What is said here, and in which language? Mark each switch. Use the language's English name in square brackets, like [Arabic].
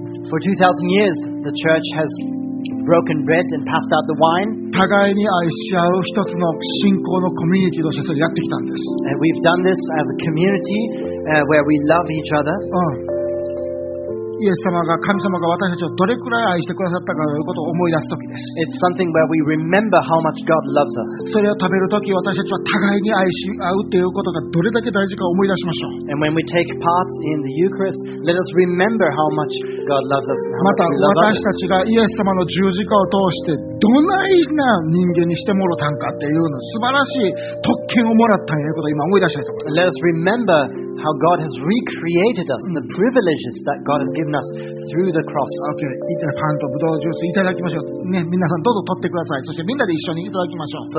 [English] For 2000 years, the church has broken bread and passed out the wine. [Japanese] 互いに愛し合う一つの信仰のコミュニティとしてそれをやってきたんです。 [English] And we've done this as a community, where we love each other. [Japanese] イエス様が神様が私たちをどれくらい愛してくださったかということを思い出すときです。 [English] It's something where we remember how much God loves us. [Japanese] それを食べるとき私たちは互いに愛し合うということがどれだけ大事か思い出しましょう。 [English] And when we take part in the Eucharist, let us remember how much God loves us. [Japanese] また私たちがイエス様の十字架を通してどないな人間にしてもろたんかっていうの素晴らしい特権をもらったんやことを今思い出したいと思います。 [English] Let us rememberHow God has recreated us and the privileges that God has given us through the cross. [Japanese] Okay, パンとブドウジュースいただきましょう。ね、皆さんどうぞ取ってください。そしてみんなで一緒にいただきましょう。